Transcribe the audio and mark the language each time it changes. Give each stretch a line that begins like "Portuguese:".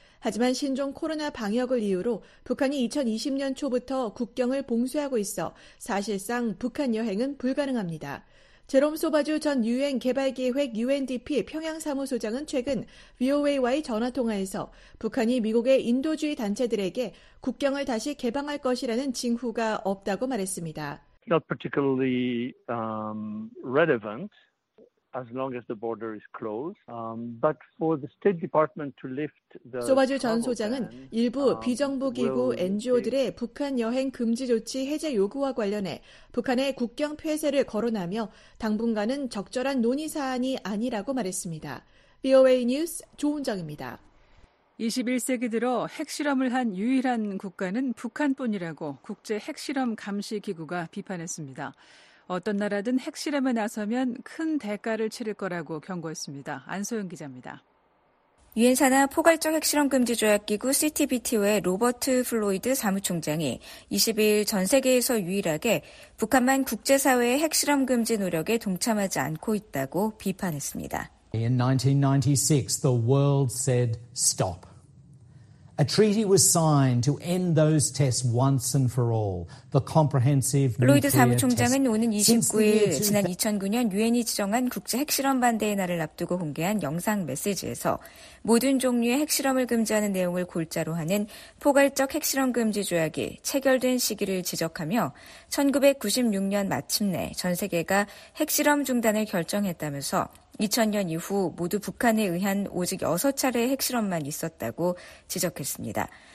Korean: 하지만 신종 코로나 방역을 이유로 북한이 2020년 초부터 국경을 봉쇄하고 있어 사실상 북한 여행은 불가능합니다. 제롬 소바주 전 유엔 개발기획 UNDP 평양사무소장은 최근 VOA와의 전화통화에서 북한이 미국의 인도주의 단체들에게 국경을 다시 개방할 것이라는 징후가 없다고 말했습니다.
English: Not particularly relevant as long as the border is closed. But for the State Department to lift the
Korean: 소바주 전 소장은 일부 비정부기구 NGO들의 북한 여행 금지 조치 해제 요구와 관련해 북한의 국경 폐쇄를 거론하며 당분간은 적절한 논의 사안이 아니라고 말했습니다. VOA 뉴스 조은정입니다. 21세기 들어 핵실험을 한 유일한 국가는 북한뿐이라고 국제핵실험감시기구가 비판했습니다. 어떤 나라든 핵실험에 나서면 큰 대가를 치를 거라고 경고했습니다. 안소영 기자입니다. 유엔 산하 포괄적 핵실험 금지 조약기구 CTBTO의 로버트 플로이드 사무총장이 20일 전 세계에서 유일하게 북한만 국제사회의 핵실험 금지 노력에 동참하지 않고 있다고 비판했습니다.
English: In 1996, the world said stop. A treaty was signed to end those tests once and for all. The comprehensive nuclear test.
Korean: 로이드 사무총장은 오는 29일 지난 2009년 유엔이 지정한 국제 핵실험 반대의 날을 앞두고 공개한 영상 메시지에서 모든 종류의 핵실험을 금지하는 내용을 골자로 하는 포괄적 핵실험 금지 조약이 체결된 시기를 지적하며 1996년 마침내 전 세계가 핵실험 중단을 결정했다면서 2000년 이후 모두 북한에 의한 오직 6차례의 핵실험만 있었다고 지적했습니다.